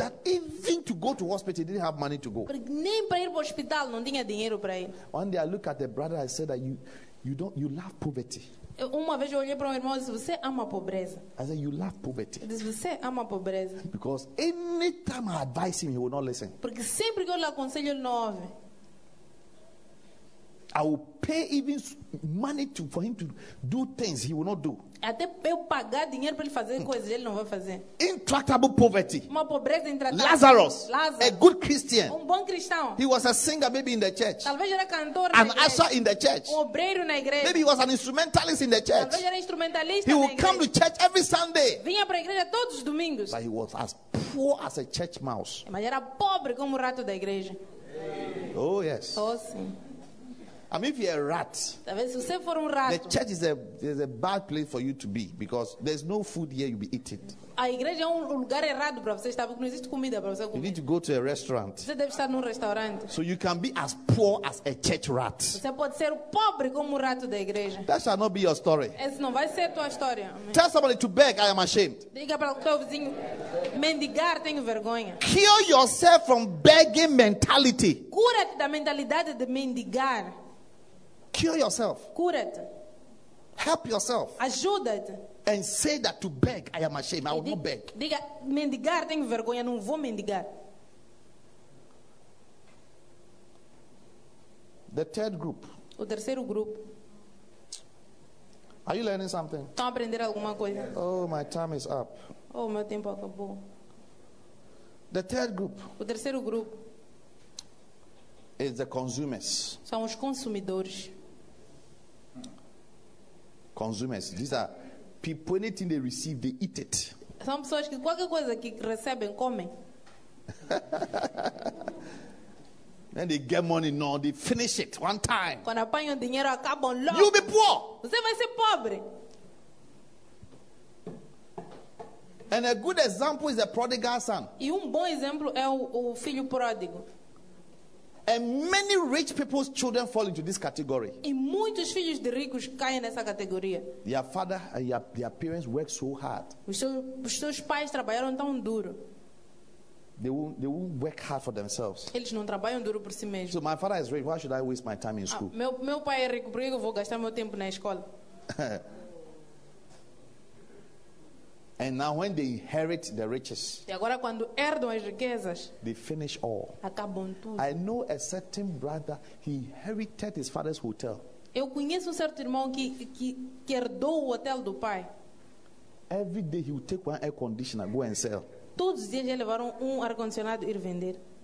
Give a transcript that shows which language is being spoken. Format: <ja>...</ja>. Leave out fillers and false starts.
<en>that even to go to hospital, he didn't have money to go.</en> <pt>Nem para ir para o hospital não tinha dinheiro para ir.</pt> <en>One day I looked at the brother and said that you love poverty.</en> <pt>Uma vez eu olhei para um irmão e disse, você ama a pobreza.</pt> <en>I said, you love poverty.</en> <pt>Ele disse, você ama a pobreza.</pt> <en>Because any time I advise him, he will not listen.</en> <pt>Porque sempre que eu lhe aconselho, ele não ouve.</pt> <en>I will pay even money for him to do things he will not do.</en> <pt>Até eu pagar dinheiro para ele fazer coisas ele não vai fazer.</pt> <en>Intractable poverty.</en> <pt>Uma pobreza intratável.</pt> <en>Lazarus. A good Christian.</en> <pt>Um bom cristão.</pt> <en>He was a singer maybe in the church.</en> <pt>Talvez era cantor.</pt> <en>An usher in the church.</en> <pt>Um obreiro na igreja.</pt> <en>Maybe he was an instrumentalist in the church.</en> <pt>Talvez era instrumentalista na igreja.</pt> <en>He would come to church every Sunday.</en> <pt>Vinha para a igreja todos os domingos.</pt> <en>But he was as poor as a church mouse.</en> <pt>Mas era pobre como o rato da igreja.</pt> <en>Oh yes.</en> <pt>Oh sim.</pt> <en>I mean, if you're a rat,</en> <pt>talvez você for um rato,</pt> <en>the church is a bad place for you to be, because there's no food here you'll be eating.</en> <pt>A igreja é lugar errado para você estar, porque não existe comida para você comer.</pt> <en>You need to go to a restaurant.</en> <pt>Você deve estar num restaurante.</pt> <en>So you can be as poor as a church rat.</en> <pt>Você pode ser pobre como um rato da igreja.</pt> <en>That shall not be your story.</en> <pt>Essa não vai ser tua história. Amém.</pt> <en>Tell somebody to beg, I am ashamed.</en> <pt>Diga para o teu vizinho, mendigar, tenho vergonha.</pt> <en>Cure yourself from begging mentality.</en> <pt>Cura-te da mentalidade de mendigar.</pt> <en>Cure yourself.</en> <pt>Cura-te.</pt> <en>Help yourself.</en> <pt>Ajuda-te.</pt> <en>And say that to beg, I am ashamed. I will not beg.</en> <pt>Diga, mendigar, tenho vergonha, não vou mendigar.</pt> <en>The third group.</en> <pt>O terceiro grupo.</pt> <en>Are you learning something?</en> <pt>Estão a aprender alguma coisa?</pt> <en>Oh, my time is up.</en> <pt>Oh, meu tempo acabou.</pt> <en>The third group.</en> <pt>O terceiro grupo.</pt> <en>Is the consumers.</en> <pt>São os consumidores.</pt> <en>Consumers. These are people, anything they receive, they eat it.</en> <pt>São pessoas que qualquer coisa que recebem, comem.</pt> <en>Then they get money, no, they finish it one time.</en> <pt>Quando apanham dinheiro, acabam logo.</pt> <en>You'll be poor.</en> <pt>Você vai ser pobre.</pt> <en>And a good example is the prodigal son.</en> <pt>E bom exemplo é o filho pródigo.</pt> <en>And many rich people's children fall into this category.</en> <pt>E muitos filhos de ricos caem nessa categoria.</pt> <en>Their father and their parents work so hard.</en> <pt>Os seus pais trabalharam tão duro.</pt> <en>They won't work hard for themselves.</en> <pt>Eles não trabalham duro por si mesmos.</pt> <en>So my father is rich. Why should I waste my time in school?</en> <pt>Meu pai é rico, por que eu vou gastar meu tempo na escola?</pt> <en>And now when they inherit the riches,</en> <pt>e agora quando herdam as riquezas,</pt> <en>they finish all.</en> <pt>Acabam tudo.</pt> <en>I know a certain brother, he inherited his father's hotel.</en> <pt>Eu conheço certo irmão que herdou o hotel do pai.</pt> <en>Every day he would take one air conditioner, go and sell.</en> <pt>Todos os dias ele levaram ar-condicionado ir vender.</pt>